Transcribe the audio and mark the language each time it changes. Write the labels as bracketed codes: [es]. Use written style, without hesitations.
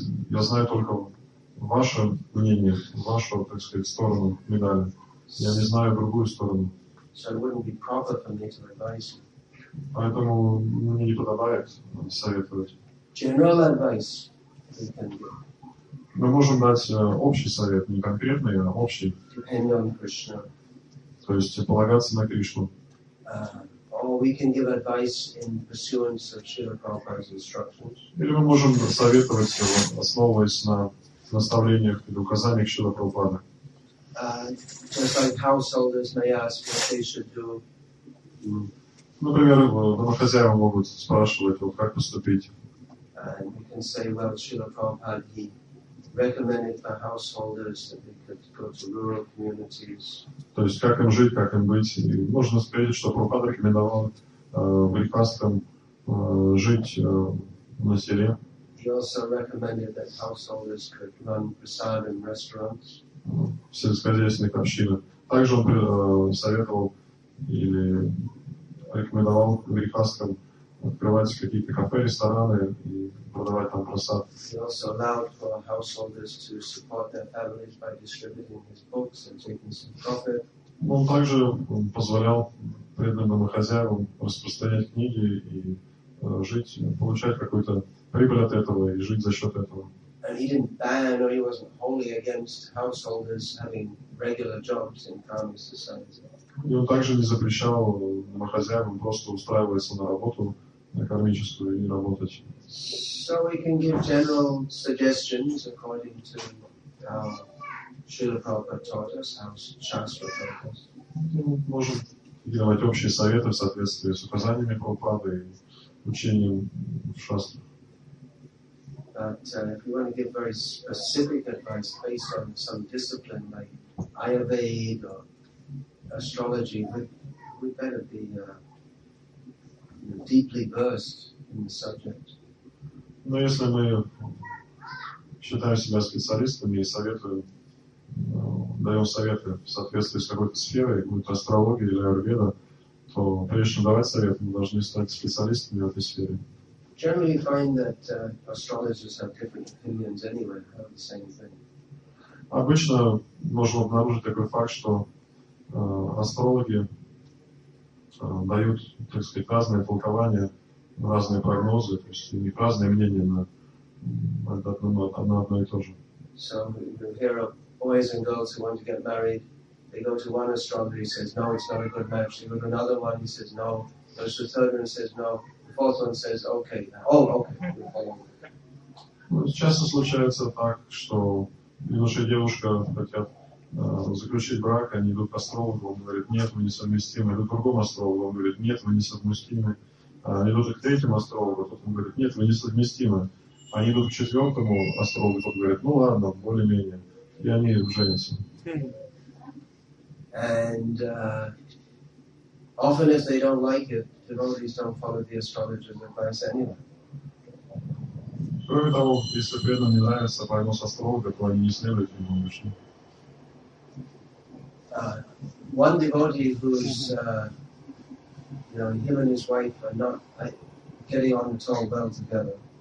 [ru] Я знаю только ваше мнение, вашу, так сказать, сторону медали. Я не знаю другую сторону. [en] So it wouldn't be proper for me to advise you. [ru] Поэтому мне не подобает советовать. [en] General advice we can give. [ru] Мы можем дать общий совет, не конкретный, а общий. [en] Depend on Krishna. [ru] То есть полагаться на Кришну. [en] Or we can give advice in pursuance of Srila Prabhupada's instructions. [ru] Или мы можем советовать его, основываясь на наставлениях или указаниях Шрила Прабхупады. [en] Just like householders may ask what they should do. [ru] Например, домохозяева могут спрашивать, вот, как поступить. [en] And we can say, well, Srila Prabhupada, he recommended for householders that they could go to rural communities. [ru] То есть как им жить, как им быть. И можно сказать, что Прабхупада рекомендовал брихастам жить на селе. [en] He also recommended that householders could run prasad in restaurants. [ru] В сельскохозяйственных общинах. Также он советовал или рекомендовал брихастам открывать какие-то кафе, рестораны и продавать там просад. [en] He also allowed for householders to support their families by distributing his books and taking some profit. [ru] Он также позволял преданным хозяевам распространять книги и жить, получать какую-то прибыль от этого и жить за счет этого. [en] And he didn't ban or he wasn't wholly against householders having regular jobs in Karma society. [ru] И он также не запрещал домохозяевам просто устраиваться на работу, на кармическую и работать. [en] So we can give general suggestions according to how Srila Prabhupada taught us, how Shastra taught us. [ru] Можем давать общие советы в соответствии с указаниями Прабхупады и учением Шастры. [en] But if you want to give very specific advice based on some discipline like Ayurveda or astrology, we better be deeply versed in the subject. [ru] Но если мы считаем себя специалистами и советуем, даем советы в соответствии с какой-то сферой, будь то астрология или аюрведа, то прежде чем давать совет, мы должны стать специалистами в этой сфере. [en] Generally, you find that astrologers have different opinions anyway about the same thing. [ru] Обычно можно обнаружить такой факт, что астрологи дают, так сказать, разные толкования, разные прогнозы, то есть у них разные мнения на одно и то же. [en] So you hear of boys and girls who want to get married, they go to one astrologer, he says no, it's not a good match. They go to another one, he says no. Goes to the third one, says no. The fourth one says okay. Oh, okay. [ru] Часто случается так, что юноша и девушка хотят заключить брак, они идут к астрологу, он говорит, нет, мы несовместимы. Идут к другому астрологу, он говорит, нет, мы несовместимы. Идут к третьему астрологу, тот он говорит, нет, мы несовместимы. Они идут к четвертому астрологу, тот говорит, ну ладно, более-менее. И они женятся. [en] And often if they don't like it, devotees don't follow the astrologer's advice anyway. [ru] Кроме того, если преданным не нравится прогноз астролога, то они не следуют ему лично. [en] One devotee who's, him and his wife are not getting on at all well together.